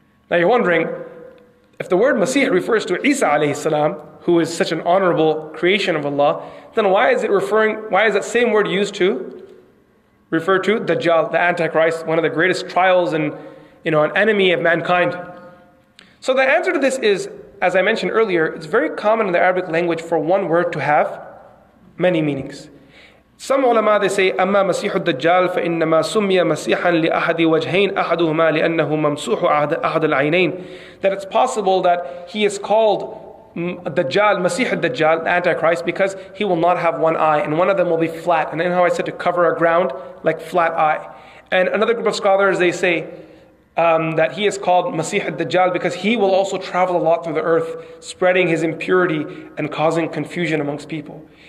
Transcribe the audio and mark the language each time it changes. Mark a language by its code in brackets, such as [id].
[en] Now you're wondering, if the word Masih refers to Isa alayhi salam, who is such an honorable creation of Allah, then why is it referring, why is that same word used to refer to Dajjal, the Antichrist, one of the greatest trials and, you know, an enemy of mankind. So the answer to this is, as I mentioned earlier, it's very common in the Arabic language for one word to have many meanings. Some ulama, they say, [ar] أما مسيح الدجال فإنما سمي مسيحا لأحد وجهين أحدهما لأنه ممسوح أحد العينين. [en] That it's possible that he is called Dajjal, Masih al-Dajjal, Antichrist, because he will not have one eye and one of them will be flat. And then how I said to cover a ground, like flat eye. And another group of scholars, they say that he is called Masih al-Dajjal because he will also travel a lot through the earth, spreading his impurity and causing confusion amongst people.